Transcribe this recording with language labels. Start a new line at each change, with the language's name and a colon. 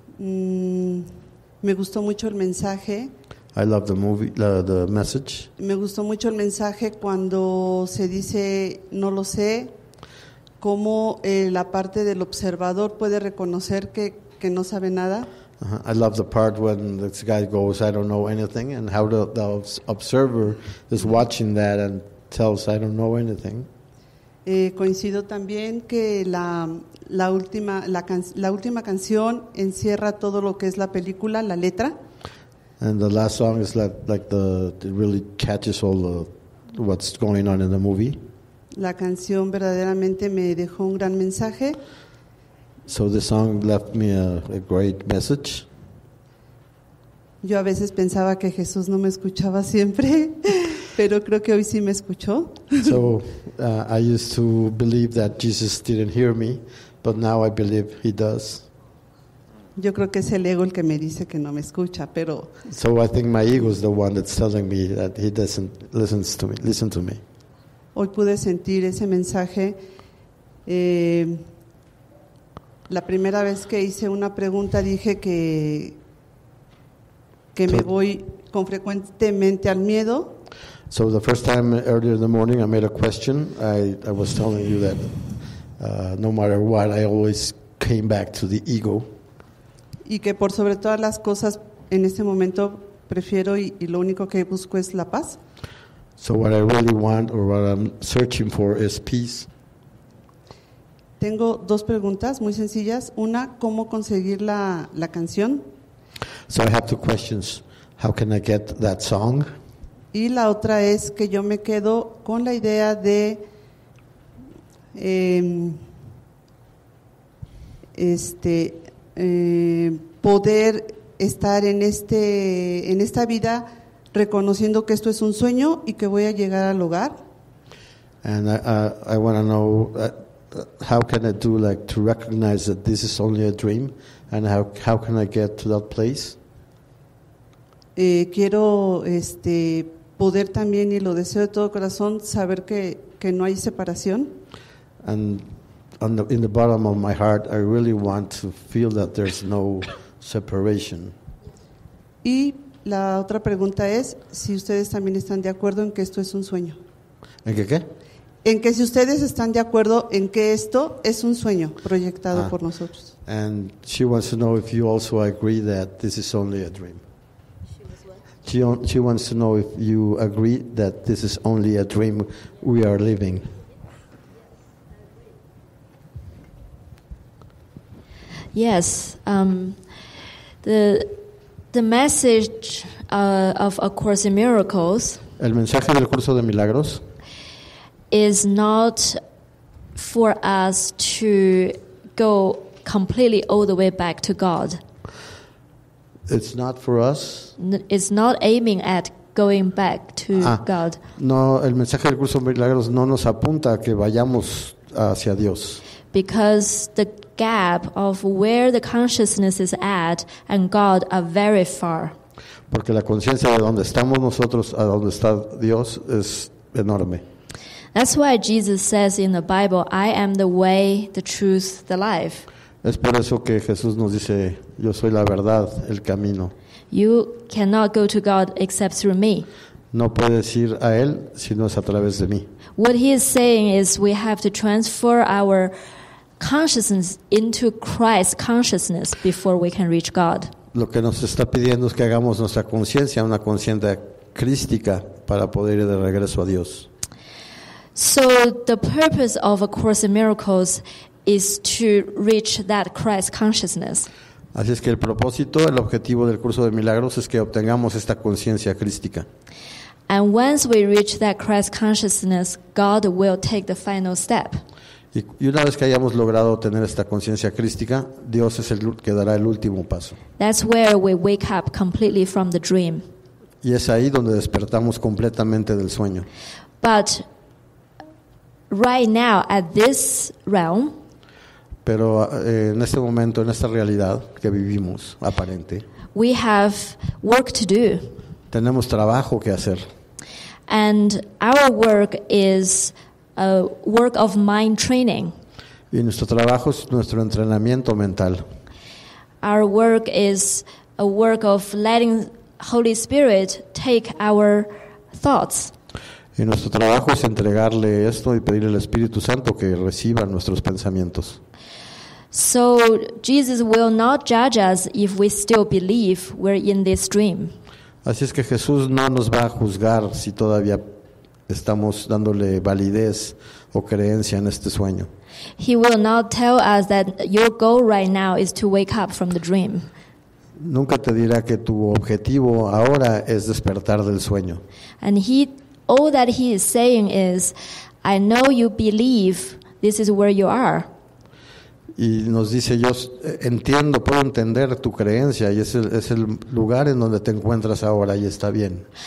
Spanish: Me gustó mucho el mensaje.
English: I love the movie, the message.
Spanish: Me gustó mucho el mensaje cuando se dice, no lo sé, cómo la parte del observador puede reconocer que no sabe nada.
English: I love the part when this guy goes, I don't know anything, and how the observer is watching that and tells, I don't know anything.
Spanish: Coincido también que la última canción encierra todo lo que es la película, la letra.
English: And the last song is it really catches all the what's going on in the movie.
Spanish: La canción verdaderamente me dejó un gran mensaje.
English: So the song left me a great message.
Spanish: Yo a veces pensaba que Jesús no me escuchaba siempre, pero creo que hoy sí me escuchó.
English: So I used to believe that Jesus didn't hear me, but now I believe he does.
Spanish: Yo creo que es el ego el que me dice que no me escucha, pero
English: So I think my ego is the one that's telling me that he doesn't listen to me.
Spanish: Hoy pude sentir ese mensaje. La primera vez que hice una pregunta dije que me voy con frecuentemente al miedo.
English: So the first time earlier in the morning I made a question, I was telling you that no matter what I always came back to the ego.
Spanish: Y que por sobre todas las cosas en este momento prefiero y lo único que busco es la paz.
English: So what I really want or what I'm searching for is peace.
Spanish: Tengo dos preguntas muy sencillas. Una, ¿cómo conseguir la canción?
English: So I have two questions. How can I get that song?
Spanish: Y la otra es que yo me quedo con la idea de poder estar en esta vida reconociendo que esto es un sueño y que voy a llegar al hogar.
English: And I want to know how can I do like to recognize that this is only a dream, and how can I get to that place?
Spanish: Quiero poder también y lo deseo de todo corazón saber que no hay separación.
English: And in the bottom of my heart, I really want to feel that there's no separation.
Spanish: Y la otra pregunta es si ustedes también están de acuerdo en que esto es un sueño. ¿En qué? En que si ustedes están de acuerdo en que esto es un sueño proyectado por nosotros.
English: And she wants to know if you also agree that this is only a dream. She wants to know if you agree that this is only a dream we are living. Yes. The message of A Course in Miracles.
Spanish: El mensaje del curso de milagros.
English: Is not for us to go completely all the way back to God. It's not for us. It's not aiming at going back to God.
Spanish: No, el mensaje del curso de milagros no nos apunta a que vayamos hacia Dios.
English: Because the gap of where the consciousness is at and God are very far.
Spanish: Porque la conciencia de donde estamos nosotros a donde está Dios es enorme.
English: That's why Jesus says in the Bible, I am the way, the truth, the life.
Spanish: Es por eso que Jesús nos dice, yo soy la verdad, el camino.
English: You cannot go to God except through me.
Spanish: No puedes ir a él si no es a través de mí.
English: What he is saying is we have to transfer our consciousness into Christ consciousness before we can reach God.
Spanish: lo que nos está pidiendo es que hagamos nuestra conciencia una conciencia crística para poder ir de regreso a Dios.
English: So the purpose of A Course in Miracles is to reach that Christ consciousness.
Spanish: Así es que el propósito, el objetivo del curso de milagros es que obtengamos esta conciencia crística.
English: And once we reach that Christ consciousness, God will take the final step.
Spanish: Y una vez que hayamos logrado tener esta conciencia crística, Dios es el que dará el último paso.
English: That's where we wake up completely from the dream.
Spanish: Y es ahí donde despertamos completamente del sueño.
English: But right now at this realm,
Spanish: pero en este momento, en esta realidad que vivimos aparente,
English: we have work to do.
Spanish: Tenemos trabajo que hacer.
English: And our work is a work of mind training.
Spanish: Y nuestro trabajo es nuestro entrenamiento mental.
English: Our work is a work of letting Holy Spirit take our thoughts.
Spanish: Y nuestro trabajo es entregarle esto y pedirle al Espíritu Santo que reciba nuestros pensamientos.
English: So Jesus will not judge us if we still believe we're in this dream.
Spanish: Así es que Jesús no nos va a juzgar si todavía estamos dándole validez o creencia en este sueño.
English: He will not tell us that your goal right now is to wake up from the dream.
Spanish: Nunca te dirá que tu objetivo ahora es despertar del sueño.
English: And all that he is saying is, I know you believe this is where you are.
Spanish: Y nos dice, yo entiendo, puedo entender tu creencia y es el lugar en donde te encuentras ahora y está bien.